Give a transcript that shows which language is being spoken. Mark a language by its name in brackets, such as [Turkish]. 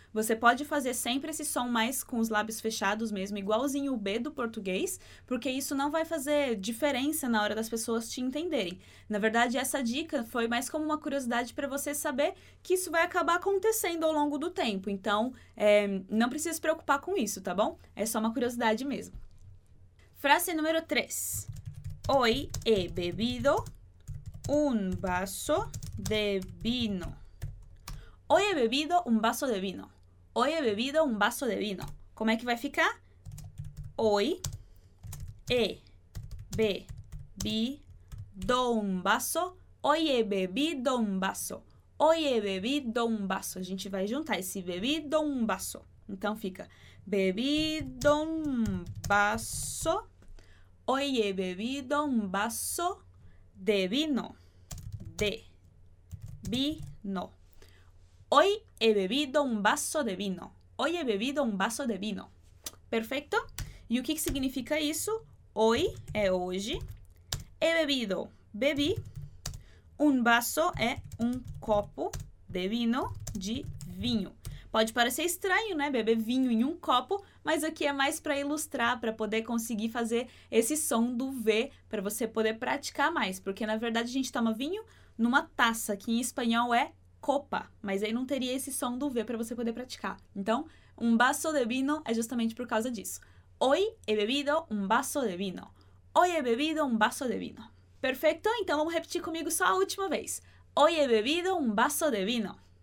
[Portuguese] Você pode fazer sempre esse som mais com os lábios fechados mesmo, igualzinho o B do português, porque isso não vai fazer diferença na hora das pessoas te entenderem. Na verdade, essa dica foi mais como uma curiosidade para você saber que isso vai acabar acontecendo ao longo do tempo. Então, não precisa se preocupar com isso, tá bom? É só uma curiosidade mesmo. Frase número 3. [Spanish] Hoy he bebido un vaso de vino. Hoy he bebido un vaso de vino. Hoy he bebido un vaso de vino. [Portuguese] Como é que vai ficar? [Spanish] Hoy he bebido un vaso. Hoy he bebido un vaso. Hoy he bebido un vaso. [Portuguese] A gente vai juntar esse [Spanish] bebido un vaso. [Portuguese] Então fica [Spanish] bebido un vaso. Hoy he bebido un vaso de vino. De vino. Hoy he bebido un vaso de vino. Hoy he bebido un vaso de vino. [Portuguese] Perfeito? E o que significa isso? [Spanish] Hoy [Portuguese] é hoje. [Spanish] He bebido. [Portuguese] Bebi. [Spanish] Un vaso [Portuguese] é um copo [Spanish] de vino, [Portuguese] de vinho. Pode parecer estranho, né? Beber vinho em um copo, mas aqui é mais para ilustrar, para poder conseguir fazer esse som do V, para você poder praticar mais. Porque na verdade a gente toma vinho numa taça, que em espanhol é copa, mas aí não teria esse som do V para você poder praticar. Então, [Spanish] un vaso de vino [Portuguese] é justamente por causa disso. [Spanish] Hoy he bebido un vaso de vino. Hoy he bebido un vaso de vino. [Portuguese] Perfeito? Então vamos repetir comigo só a última vez. [Spanish] Hoy he bebido un vaso de vino.